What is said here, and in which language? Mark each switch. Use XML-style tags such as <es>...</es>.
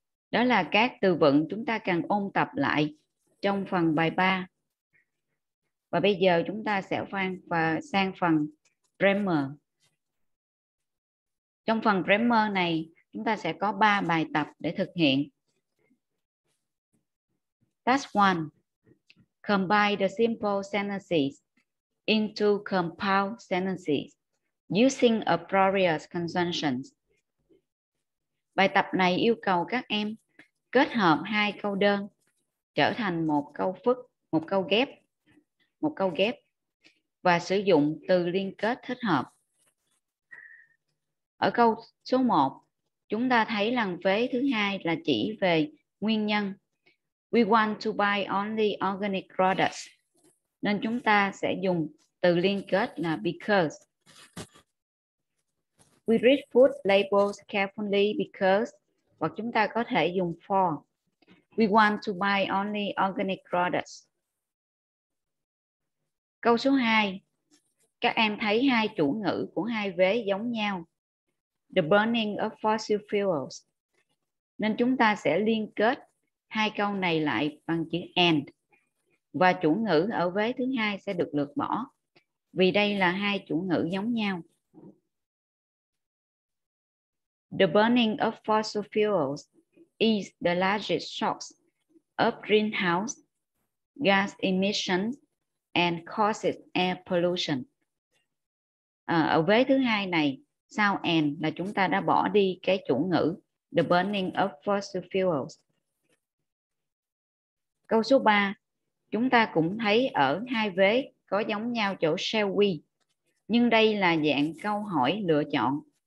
<vi>Đó là các từ vựng chúng ta cần ôn tập lại trong phần bài 3. Và bây giờ chúng ta sẽ sang phần grammar. Trong phần grammar này, chúng ta sẽ có 3 bài tập để thực hiện.</vi> <en>Task 1. Combine the simple sentences into compound sentences using appropriate conjunctions.</en> <vi>Bài tập này yêu cầu các em kết hợp hai câu đơn trở thành một câu ghép và sử dụng từ liên kết thích hợp. Ở câu số 1, chúng ta thấy lần vế thứ 2 là chỉ về nguyên nhân.</vi> <en>We want to buy only organic products.</en> <vi>Nên chúng ta sẽ dùng từ liên kết là because.</vi> <en>We read food labels carefully because.</en> <vi>Hoặc chúng ta có thể dùng for.</vi> <en>We want to buy only organic products.</en> <vi>Câu số 2. Các em thấy hai chủ ngữ của hai vế giống nhau.</vi> <en>the burning of fossil fuels.</en> <vi>Nên chúng ta sẽ liên kết hai câu này lại bằng chữ and. Và chủ ngữ ở vế thứ hai sẽ được lược bỏ, vì đây là hai chủ ngữ giống nhau.</vi> <en>The burning of fossil fuels is the largest source of greenhouse gas emissions and causes air pollution.</en> <vi>Ở vế thứ hai này, sau and là chúng ta đã bỏ đi cái chủ ngữ</vi> <en>the burning of fossil fuels.</en> <vi>Câu số 3, chúng ta cũng thấy ở hai vế có giống nhau chỗ</vi> <en>shall we,</en> <vi>nhưng đây là dạng câu hỏi lựa chọn.</vi>